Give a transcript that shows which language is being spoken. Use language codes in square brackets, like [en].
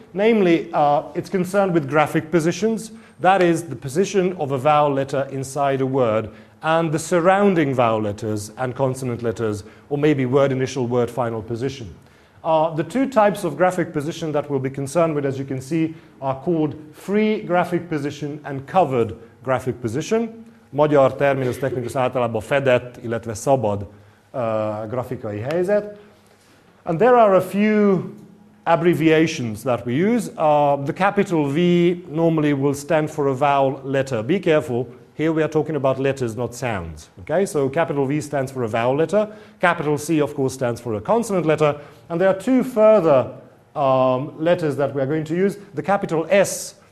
[en] Namely, it's concerned with graphic positions. That is, the position of a vowel letter inside a word and the surrounding vowel letters and consonant letters, or maybe word initial, word final position. The two types of graphic position that we'll be concerned with, as you can see, are called free graphic position and covered graphic position. [hu] Magyar terminus technikus általában fedett, illetve szabad grafikai helyzet. [en] And there are a few abbreviations that we use. The capital V normally will stand for a vowel letter. Be careful, here we are talking about letters, not sounds. Okay, so capital V stands for a vowel letter. Capital C, of course, stands for a consonant letter. And there are two further letters that we are going to use. The capital S